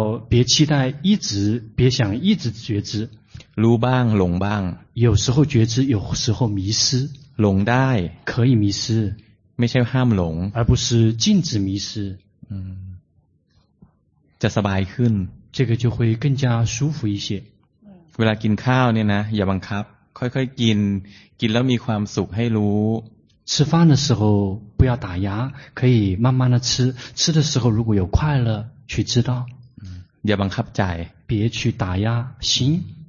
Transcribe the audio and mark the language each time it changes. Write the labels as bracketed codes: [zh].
[zh] 别期待一直别想一直觉知 [th] รู้บ้างหลงบ้าง [zh] 有时候觉知有时候迷失 [th] หลงได้ [zh] 可以迷失 [th] ไม่ใช่ห้ามหลง [zh] 而不是禁止迷失 [th] จะสบายขึ้น [zh] 这个就会更加舒服一些 [th] เวลากินข้าวเนี่ยนะอย่าบังคับค่อยๆกินกินแล้วมีความสุขให้รู้ [zh] 吃饭的时候不要打压可以慢慢的吃吃的时候如果有快乐去知道 [th] อย่าบังคับใจ [zh] 别去打压心